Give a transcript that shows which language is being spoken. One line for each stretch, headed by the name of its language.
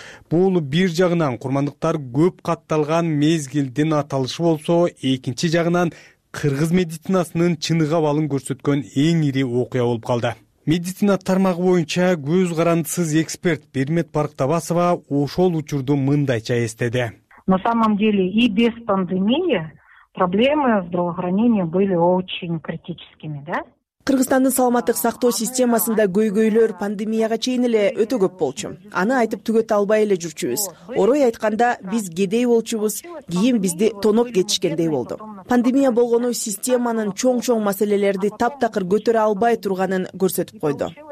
Kyrgyz: Бул бир жагынан курмандыктар көп катталган мезгилдин аталышы болсо, экинчи жагынан кыргыз медицинасынын чыныгы абалын көрсөткөн эң ири окуя болуп калды. Медицина тармагы боюнча көз карандысыз эксперт Бермет Барктабасова ошол учурду мындайча эстеди.
Russian: На самом деле и без пандемии проблемы здравоохранения были очень критическими, да?
Kyrgyz: Кыргызстандын саламаттык сактоо системасында көйгөйлөр пандемияга чейин эле өтө көп болчу. Аны айтып түгөтө албай эле жүрчүбүз. Орой айтканда биз кедей болчубуз, кийин бизди тоноп кетишкендей болду. Пандемия болгону системанын чоң-чоң маселелерди таптакыр көтөрө албай турганын көрсөтүп койду.